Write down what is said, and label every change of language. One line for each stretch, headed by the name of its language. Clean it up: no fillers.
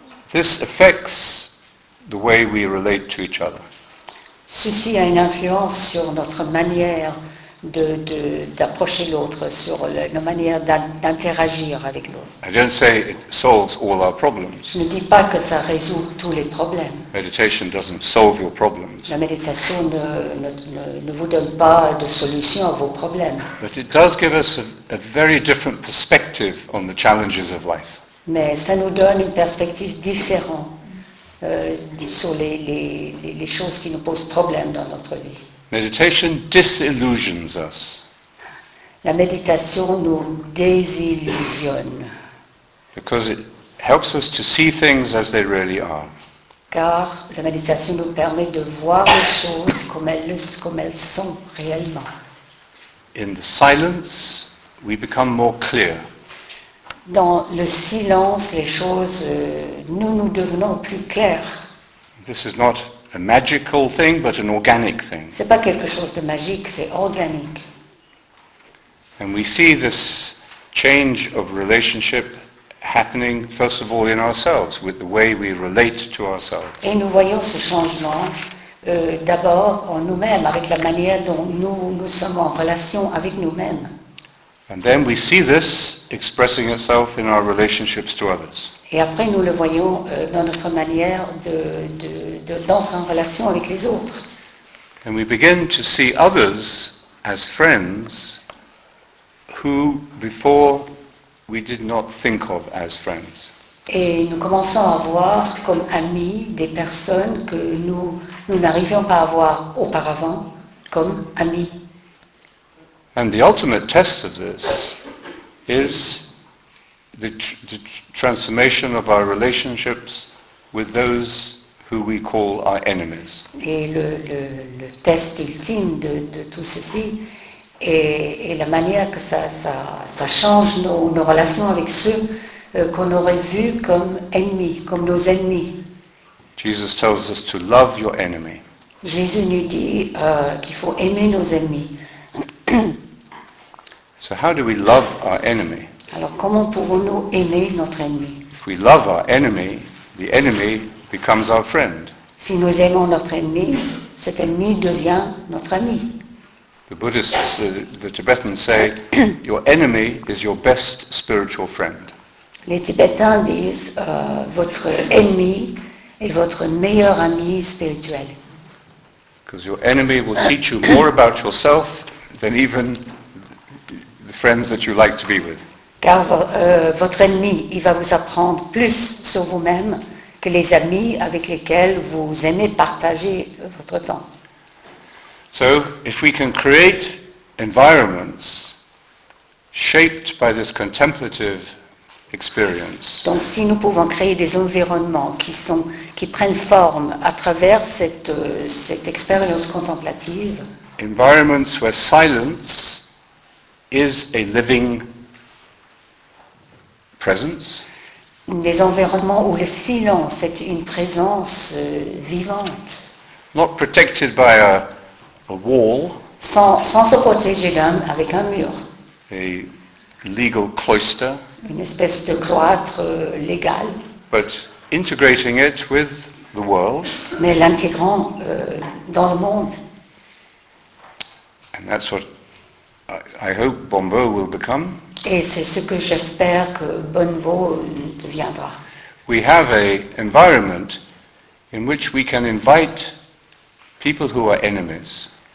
English: This affects the way we relate to each other.
French: Ceci a une influence sur notre manière d'approcher l'autre, sur nos manières d'interagir avec l'autre.
English: I don't say it solves all our problems.
French: Je ne dis pas que ça résout tous les problèmes.
English: Meditation doesn't solve your problems.
French: La méditation ne vous donne pas de solution à vos problèmes.
English: But it does give us a very different perspective on the challenges of life.
French: Mais ça nous donne une perspective différente sur les choses qui nous posent problème dans notre vie.
English: Meditation disillusions us.
French: La méditation nous désillusionne.
English: Because it helps us to see things as they really are.
French: Car la méditation nous permet de voir les choses comme elles sont réellement.
English: In the silence, we become more clear.
French: Dans le silence, les choses, nous devenons plus clairs.
English: This is not a magical thing, but an organic thing.
French: C'est pas quelque chose de magique, c'est organique.
English: And we see this change of relationship happening, first of all, in ourselves, with the way we relate to ourselves.
French: Et nous voyons ce changement d'abord en nous-mêmes, avec la manière dont nous sommes en relation avec nous-mêmes.
English: And then we see this expressing itself in our relationships to others.
French: Et après nous le voyons dans notre manière d'entrer en relation avec les autres.
English: And we begin to see others as friends who before we did not think of as friends.
French: Et nous commençons à voir comme amis des personnes que nous n'arrivions pas à voir auparavant comme amis.
English: And the ultimate test of this is the transformation of our relationships with those who we call our enemies.
French: Et le test ultime de tout ceci est la manière que ça change nos relations avec ceux qu'on aurait vus comme ennemis, comme nos ennemis.
English: Jesus tells us to love your enemy.
French: Jésus nous dit qu'il faut aimer nos ennemis.
English: So how do we love our enemy?
French: Alors comment pouvons-nous aimer notre ennemi?
English: If we love our enemy, the enemy becomes our friend.
French: Si nous aimons notre ennemi, cet ennemi devient notre ami.
English: The Buddhists, the Tibetans say, your enemy is your best spiritual friend.
French: Les Tibétains disent, votre ennemi est votre meilleur ami spirituel.
English: Because your enemy will teach you more about yourself than even friends that you like to be with.
French: Car votre ennemi, il va vous apprendre plus sur vous-même que les amis avec lesquels vous aimez partager votre temps.
English: So, if we can create environments shaped by this contemplative experience.
French: Donc si nous pouvons créer des environnements qui prennent forme à travers cette expérience contemplative.
English: Environments where silence is a living presence.
French: Des environnements où le silence est une présence vivante.
English: Not protected by a wall.
French: Sans se protéger avec un mur.
English: A legal cloister.
French: Une espèce de cloître légal.
English: But integrating it with the world.
French: Mais l'intégrant dans le monde.
English: And that's what I hope Bonvo will become.
French: Et c'est ce que j'espère que Bonvo deviendra.
English: We have an environment in which we can invite people who are enemies.